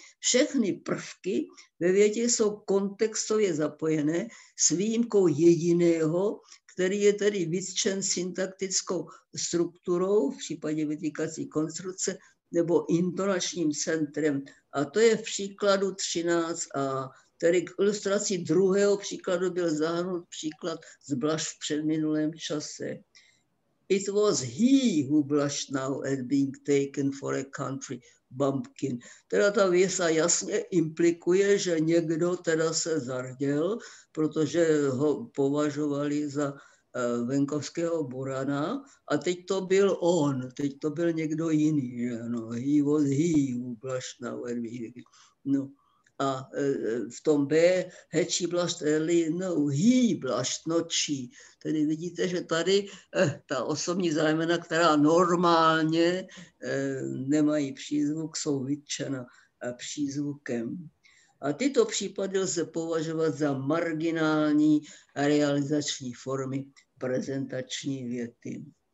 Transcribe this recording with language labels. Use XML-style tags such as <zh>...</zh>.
<cs>Všechny prvky ve větě jsou kontextově zapojené s výjimkou jediného, který je tedy vytčen syntaktickou strukturou v případě vytýkací konstrukce nebo intonačním centrem. A to je v příkladu 13 a tedy k ilustraci druhého příkladu byl zahrnut příklad z Blaž v předminulém čase.</cs> <en>It was he who blushed now at being taken for a country bumpkin.</en> <cs>Teda ta věsa jasně implikuje, že někdo teda se zarděl, protože ho považovali za venkovského burana a teď to byl on, teď to byl někdo jiný. Že?</cs> <en>No, he was he who blushed now at being... No.</en> <cs>A v tom B,</cs> <en>had she blushed early? No, he blushed, not she.</en> <cs>Tedy vidíte, že tady ta osobní zájmena, která normálně nemají přízvuk, jsou vytčena přízvukem. A tyto případy lze považovat za marginální realizační formy prezentační věty.</cs>